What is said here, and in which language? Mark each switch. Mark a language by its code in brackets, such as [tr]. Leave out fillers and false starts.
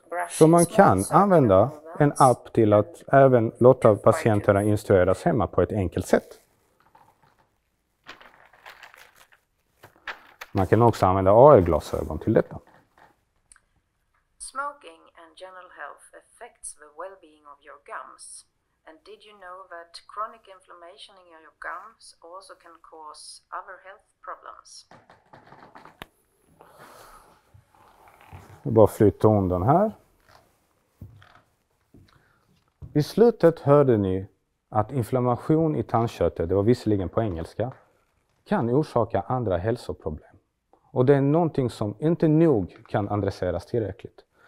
[sv] Så man kan använda en app till att även låta patienterna instrueras hemma på ett enkelt sätt. Man kan också använda AR-glasögon till detta. [en] Smoking and general health affects the well-being of your gums. And did you know that chronic inflammation in your gums also can cause other health problems? [sv] Jag bara flyttar om den här. I slutet hörde ni att inflammation i tandköttet, det var visserligen på engelska, kan orsaka andra hälsoproblem. Och det är någonting som inte nog kan adresseras tillräckligt.